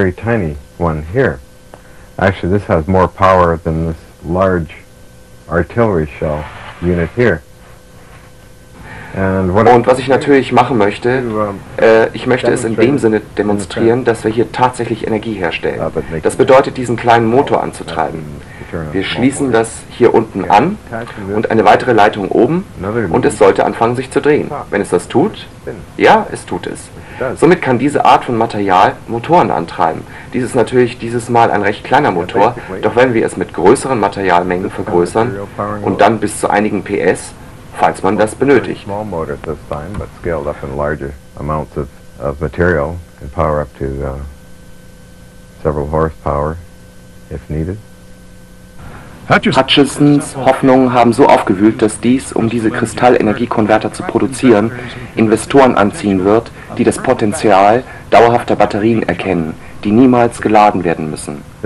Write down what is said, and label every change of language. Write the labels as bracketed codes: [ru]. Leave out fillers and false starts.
[en] Actually, this has more power than this large artillery shell unit here. [de] Und was ich natürlich machen möchte, ich möchte es in dem Sinne demonstrieren, dass wir hier tatsächlich Energie herstellen. Das bedeutet, diesen kleinen Motor anzutreiben. Wir schließen das hier unten an und eine weitere Leitung oben und es sollte anfangen, sich zu drehen. Wenn es das tut, ja, es tut es. Somit kann diese Art von Material Motoren antreiben. Dies ist natürlich dieses Mal ein recht kleiner Motor, doch wenn wir es mit größeren Materialmengen vergrößern und dann bis zu einigen PS, falls man das benötigt. [en] Small motor at this time, but scaled up in larger amounts of material and power up to several horsepower, if needed. [de] Hutchesons Hoffnungen haben so aufgewühlt, dass dies, um diese Kristallenergiekonverter zu produzieren, Investoren anziehen wird, die das Potenzial dauerhafter Batterien erkennen, die niemals geladen werden müssen.